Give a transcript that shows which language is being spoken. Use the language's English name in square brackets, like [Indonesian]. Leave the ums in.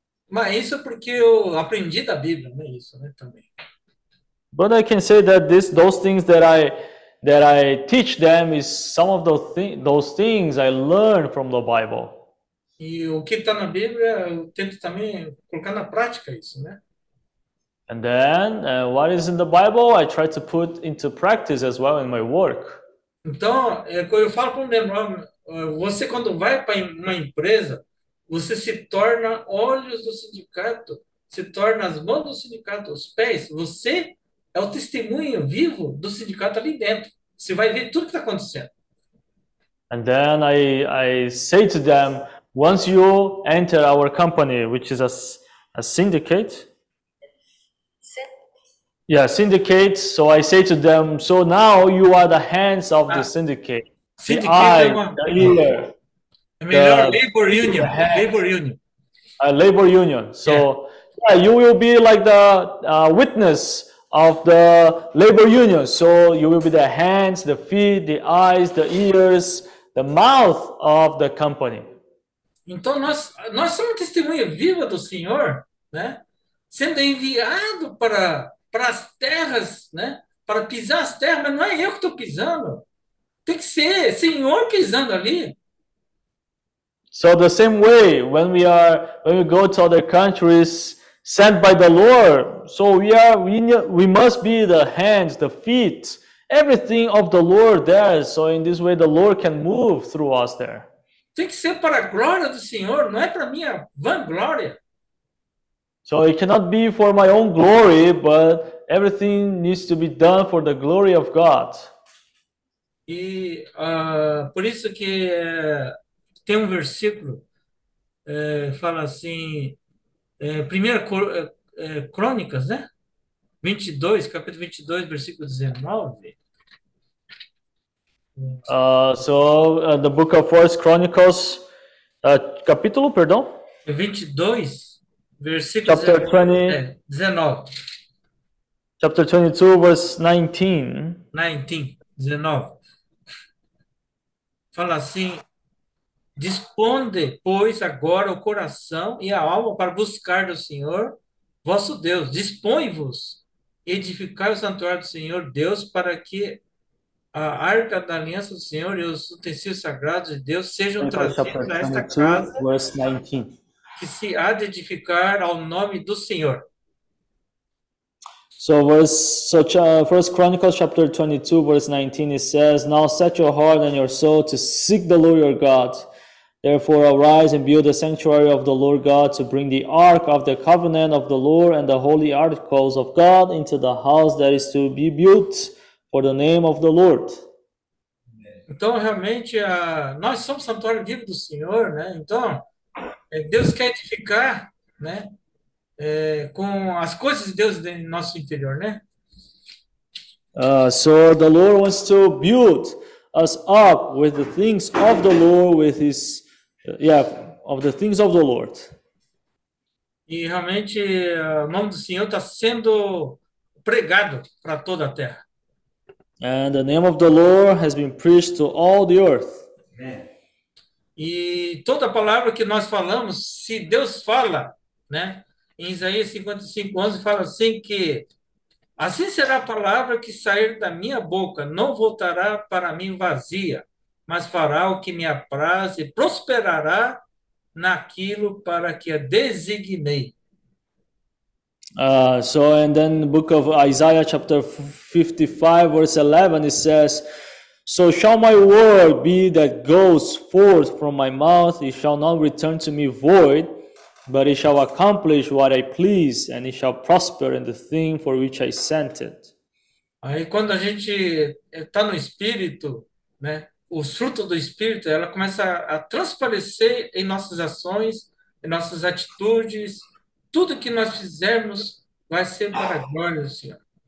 [Portuguese] Bíblia, né? Isso, né? [English] But I can say that this, those things that I, that I teach them is some of those, thi those things I learned from the Bible. [Portuguese] E o que está na Bíblia, eu tento também colocar na prática isso, né? [English] And then uh, what is in the Bible, I try to put into practice as well in my work. [Portuguese] Então, quando falo para um você quando vai para uma empresa, você se torna olhos do sindicato, se torna as mãos do sindicato, os pés. Você é o testemunho vivo do sindicato ali dentro. Você vai ver tudo que está acontecendo. [English] And then I, I say to them, once you enter our company, which is a, a syndicate, Yeah, syndicate. So I say to them, so now you are the hands of ah. the syndicate. The syndicate, eyes, labor. The ear, the labor union. Head, labor union. A labor union. So yeah. yeah like uh, witness of labor union. So you will be the hands, the feet, the eyes, the ears, the mouth of [Portuguese] Então nós, nós somos testemunha viva do Senhor, né? Sendo enviado para para as terras, né? para pisar as terras, Mas não é eu que estou pisando. Tem que ser Senhor pisando ali. [English] So the same way when we are when we go to other countries sent by the Lord, so we are we, we must be the hands, the feet, everything of the Lord there. So in this way the Lord can move through us there. [Portuguese] Tem que ser para a glória do Senhor, não é para minha vanglória. [English] So it cannot be for my own glory, but everything needs to be done for the glory of God. [Portuguese] E uh, por isso que uh, tem um versículo uh, fala assim, uh, primeira cor, uh, uh, crônicas, né? 22, capítulo 22, versículo 19. [English] Uh, so uh, the book of First Chronicles, uh, [Portuguese] capítulo, perdão? 22 Versículo [English] chapter 19, 20, é, 19. Chapter 22, 19. 19. [Portuguese] Fala assim: Dispõe, pois, agora o coração e a alma para buscar do Senhor vosso Deus. Dispõe-vos edificar o santuário do Senhor Deus para que a arca da aliança do Senhor e os utensílios sagrados de Deus sejam e, trazidos para esta casa. [English] Verse 19 [Portuguese] que se há de edificar ao nome do Senhor. [English] So verse so, uh, first Chronicles chapter 22 verse 19 it says now set your heart and your soul to seek the Lord your God therefore arise and build the sanctuary of the Lord God to bring the ark of the covenant of the Lord and the holy articles of God into the house that is to be built for the name of the Lord. [Portuguese] Então realmente uh, nós somos santuário vivo do Senhor, né? Então Deus quer edificar, né? com as coisas de Deus no nosso interior, né? [English] Uh, so the Lord wants to build us up with the things of the Lord, with His, yeah, of the things of the Lord. [Portuguese] E realmente o nome do Senhor está sendo pregado para toda a Terra. [English] And the name of the Lord has been preached to all the earth. Amen. Yeah. [Portuguese] E toda palavra que nós falamos, se Deus fala, né? Em Isaías 55, 11, fala assim que assim será a palavra que sair da minha boca, não voltará para mim vazia, mas fará o que me apraz e prosperará naquilo para que a designei. [English] Ah, uh, so, and then the book of Isaiah, chapter 55, verse 11, it says... So shall my word be that goes forth from my mouth, it shall not return to me void, but it shall accomplish what I please, and it shall prosper in the thing for which I sent it. [Portuguese] Aí quando a gente está no Espírito, né, os frutos do Espírito, ela começa a transparecer em nossas ações, em nossas atitudes, tudo que nós fizermos vai ser para a Senhor.